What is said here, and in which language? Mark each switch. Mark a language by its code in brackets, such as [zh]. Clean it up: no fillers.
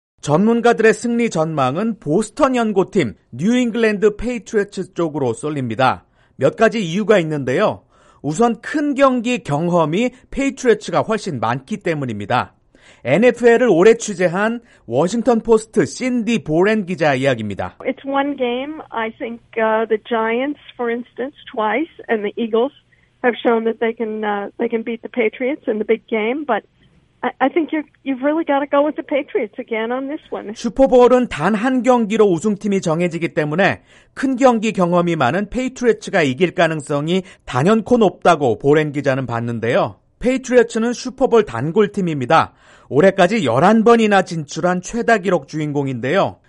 [ko] 전문가들의 승리 전망은 보스턴 연고팀 뉴잉글랜드 페이트리츠 쪽으로 쏠립니다. 몇 가지 이유가 있는데요. 우선 큰 경기 경험이 페이트리츠가 훨씬 많기 때문입니다. NFL을 올해 취재한 워싱턴 포스트 신디 보렌 기자 이야기입니다. [en] It's one game. I think the Giants, for instance, twice, and the Eagles have shown that they can beat the Patriots in the big game. But I think you've really got to go with the Patriots again on this one. [ko] 슈퍼볼은 단 한 경기로 우승팀이 정해지기 때문에 큰 경기 경험이 많은 페이트리츠가 이길 가능성이 단연코 높다고 보렌 기자는 봤는데요. 페이트리어츠는 슈퍼볼 단골팀입니다. 올해까지 11번이나 진출한 최다 기록 주인공인데요.